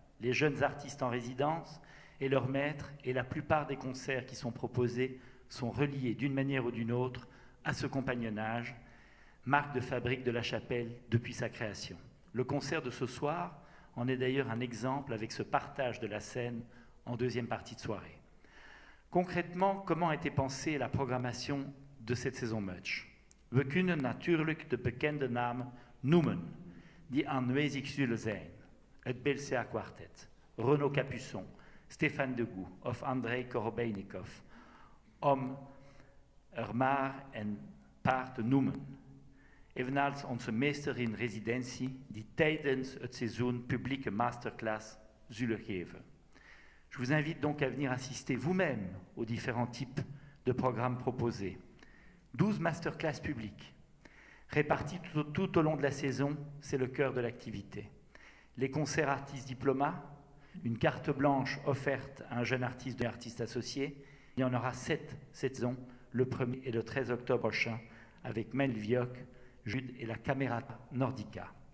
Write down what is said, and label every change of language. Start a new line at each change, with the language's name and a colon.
French: Les jeunes artistes en résidence et leurs maîtres et la plupart des concerts qui sont proposés sont reliés d'une manière ou d'une autre à ce compagnonnage, marque de fabrique de la chapelle depuis sa création. Le concert de ce soir en est d'ailleurs un exemple avec ce partage de la scène en deuxième partie de soirée. Concrètement, comment a été pensée la programmation de cette saison match?
Dutch: We kunnen natuurlijk de bekende namen noemen die aanwezig zullen zijn. Het BLCA Quartet, Renaud Capuçon, Stéphane Degout of André Korobeinikov, om er maar een paar te noemen. Evenals onze meester in residentie die tijdens het seizoen publieke masterclass zullen geven.
French: Je vous invite donc à venir assister vous-même aux différents types de programmes proposés. 12 masterclass publiques, réparties tout au long de la saison, c'est le cœur de l'activité. Les concerts artistes diploma, une carte blanche offerte à un jeune artiste ou artiste associé, il y en aura 7 cette saison, le 1er et le 13 octobre prochain, avec Mel Vioc, Jude et la Camerata Nordica.